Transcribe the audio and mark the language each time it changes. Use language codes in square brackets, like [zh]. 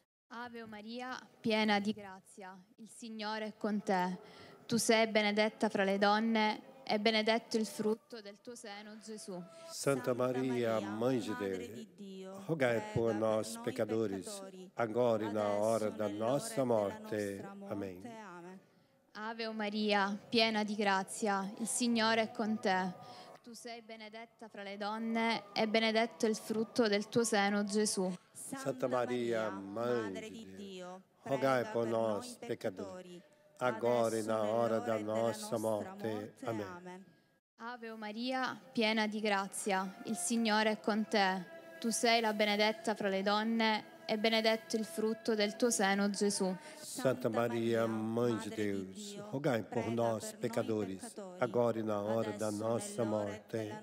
[it] Ave Maria, piena di grazia, il Signore è con te. Tu sei benedetta fra le donne e benedetto il frutto del tuo seno, Gesù. [pt] Santa Maria, Mãe de Deus, rogai por nós, [it] peccatori, [pt] agora e na hora da nossa morte. Amém. [it] Ave Maria, piena di grazia, il Signore è con te. Tu sei benedetta fra le donne e benedetto il frutto del tuo seno, Gesù. [pt] Santa Maria, Mãe de Deus, rogai por nós, [it] peccatori, [pt] agora e na hora da nossa morte. Amém. [it] Ave Maria, piena di grazia, il Signore è con te. Tu sei la benedetta fra le donne e benedetto il frutto del tuo seno, Gesù. [pt] Santa Maria, Mãe de Deus, rogai por nós, [it] peccatori, [pt] agora e na hora da nossa morte.